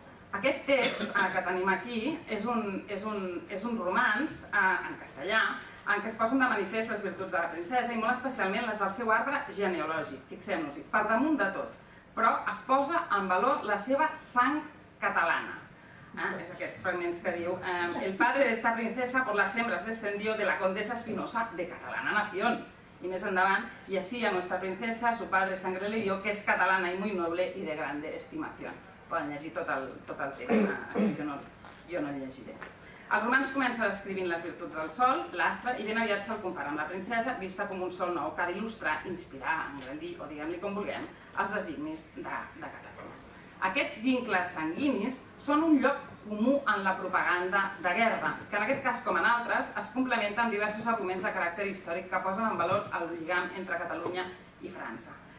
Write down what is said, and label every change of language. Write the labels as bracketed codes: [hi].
[ca] Aquest text que tenim aquí és un romanç en castellà en què es posen de manifest les virtuts de la princesa i molt especialment les del seu arbre genealògic, fixem-nos-hi, per damunt de tot, però es posa en valor la seva sang catalana. És aquests fragments que diu: [es] el padre de esta princesa por las hembras descendió de la condesa Espinosa de catalana nación. [ca] I més endavant: [es] y así a nuestra princesa su padre sangre le dio, que es catalana y muy noble y de grande estimación. [ca] Poden llegir tot el text, jo no el llegiré. El romans comença descrivint les virtuts del sol, l'astre, i ben aviat se'l compara amb la princesa, vista com un sol nou que ha d'il·lustrar, inspirar, o diguem-li com vulguem, els designis de Catalunya. Aquests vincles sanguinis són un lloc comú en la propaganda de guerra, que en aquest cas, com en altres, es complementa amb diversos arguments de caràcter històric que posen en valor el lligam entre Catalunya i França.